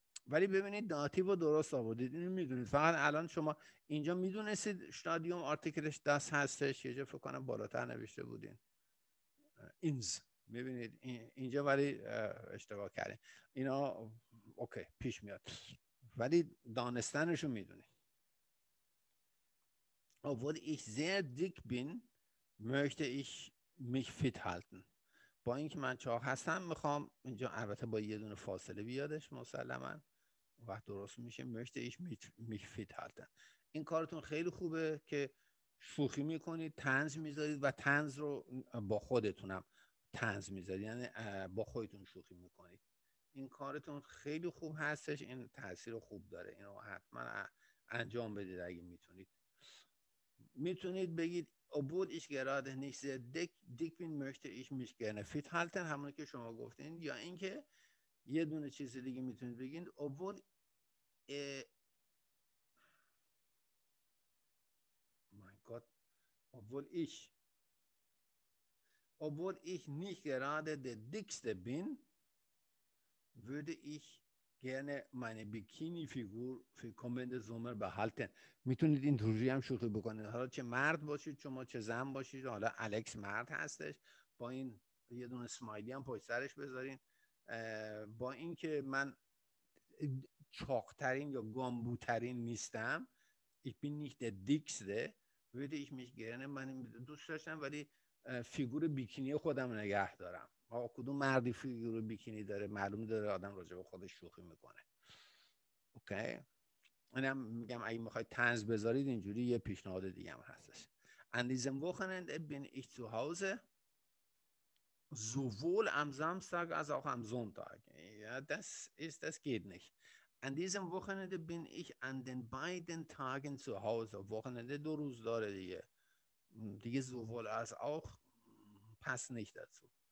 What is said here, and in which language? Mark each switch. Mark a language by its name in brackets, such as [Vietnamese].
[Persian] ولی ببینید داتیو درست آوردید، اینو میدونید. فقط الان شما اینجا میدونستید استادیوم آرتیکلش دست هستش، یه جا فکر کنم بالاتر نوشته بودین اینز. میبینید اینجا ولی اشتباه کردین. اینا اوکی پیش میاد ولی دانستنشو میدونید. [German] Obwohl ich sehr dick bin, möchte ich mich fit halten. [Persian] با اینکه من چاق هستم میخوام، اینجا البته با یه دونه فاصله بیادش مسلماً، وقت درست میشه [German] möchte ich mich fit halten. [Persian] این کارتون خیلی خوبه که شوخی میکنید، طنز میذارید و طنز رو با خودتونم طنز میذارید، یعنی با خودتون شوخی میکنید. این کارتون خیلی خوب هستش، این تاثیر خوب داره، اینو حتما انجام بدید اگه میتونید. میتونید بگید [German] Obwohl ich gerade nicht sehr dick bin, möchte ich mich gerne fit halten. Haben wir schon mal gesagt, ja, inke, jedun çizildiği metin beginnt. Obwohl, mein Gott, obwohl ich nicht gerade der dickste bin, würde ich gerne meine Bikini-Figur für kommende Sommer behalten. [Persian] میتونید این توجیه هم شوخی بکنید. حالا چه مرد باشید، شما چه زن باشید، حالا الکس مرد هستش، با این یه دونه سمایلی هم پشت سرش بذارین. با اینکه من چاقترین یا گامبوترین نیستم، [German] ich bin nicht der dickste, würde ich mich gerne [Persian] من دوست داشتم ولی فیگور بیکینی خودم نگه دارم. آقا کدوم مردی فیگور بیکینی داره؟ معلوم داره آدم راجع به خودش شوخی میکنه. اوکی؟ این هم میگم اگه میخواید طنز بذارید اینجوری یه پیشنهاد دیگه هم هستش. [German] An diesem Wochenende bin ich zu Hause, sowohl am Samstag als auch am Sonntag. Ja, das geht nicht. An diesem Wochenende bin ich an den beiden Tagen zu Hause. Wochenende, du Rus dore die. Die sowohl als auch passt nicht dazu.